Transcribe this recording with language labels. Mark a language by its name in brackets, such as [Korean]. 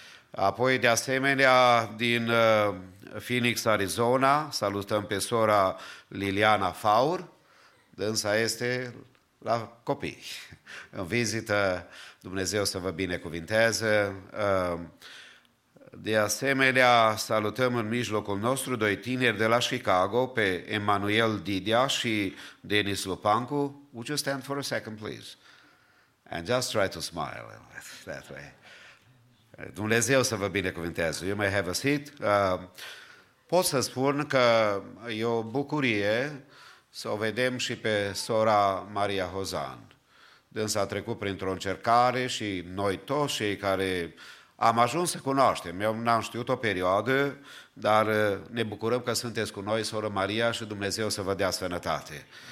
[Romanian] Apoi, de asemenea, din Phoenix, Arizona, salutăm pe sora Liliana Faur, dânsa este la copii, în vizită, Dumnezeu să vă binecuvinteze. De asemenea, salutăm în mijlocul nostru doi tineri de la Chicago, pe Emmanuel Didia și Denis Lupancu. [English] Would you stand for a second, please? And just try to smile that way. [Romanian] Dumnezeu să vă binecuvinteze. [English] You may have a seat. [Romanian] Pot să spun că e o bucurie să o vedem și pe sora Maria Hozan. Dânsa a trecut printr-o încercare și noi toți cei care am ajuns să cunoaștem, eu n-am știut o perioadă, dar ne bucurăm că sunteți cu noi, soră Maria, și Dumnezeu să vă dea sănătate.